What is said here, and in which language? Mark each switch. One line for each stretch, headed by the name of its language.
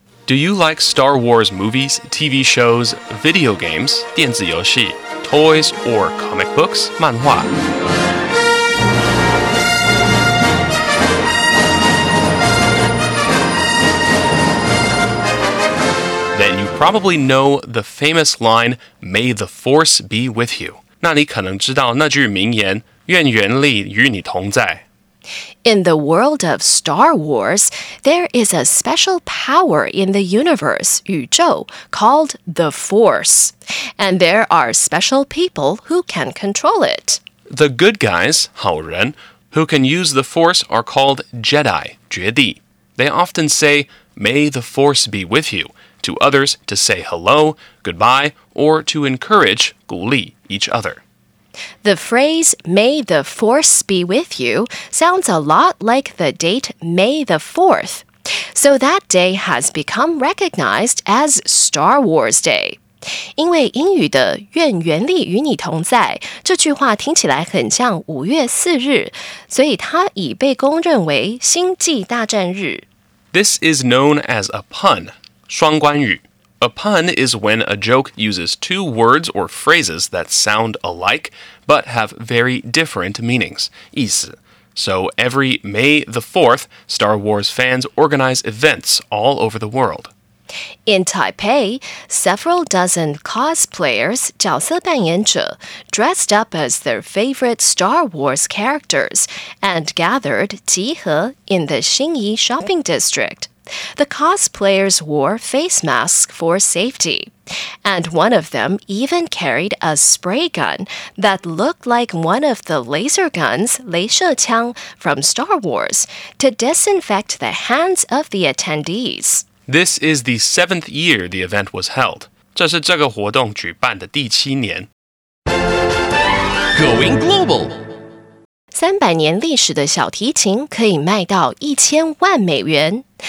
English: Do you like Star Wars movies, TV shows, video games, 电子游戏 toys, or comic books, 漫画? Then you probably know the famous line, May the Force be with you.
Chinese: 那你可能知道那句名言，愿原力与你同在。
English: In the world of Star Wars, there is a special power in the universe, 宇宙, called the Force. And there are special people who can control it. The good guys, 好人, who can use the Force are called Jedi, 绝地. They often say, May the Force be with you. To others to say hello, goodbye, or to encourage, 鼓励, each other. The phrase, May the Force be with you, sounds a lot like the date May the 4th. So that day has become recognized as Star Wars Day.
Chinese: 因为英语的愿原力与你同在这句话听起来很像5月4日，所以它已被公认为星际大战日。
English: This is known as a pun. 双关语. A pun is when a joke uses two words or phrases that sound alike, but have very different meanings.
Chinese: 意思.
English: So every May the 4th, Star Wars fans organize events all over the world. In Taipei, several dozen cosplayers, 角色扮演者, dressed up as their favorite Star Wars characters and gathered 集合 in the Xinyi shopping district. The cosplayers wore face masks for safety, and one of them even carried a spray gun that looked like one of the laser guns, 雷射枪, from Star Wars, to disinfect the hands of the attendees. This is the 7th year the event was held.
Chinese: 这是这个活动举办的第七年。
English: Going global!
Chinese: 三百年历史的小提琴可以卖到一千万美元。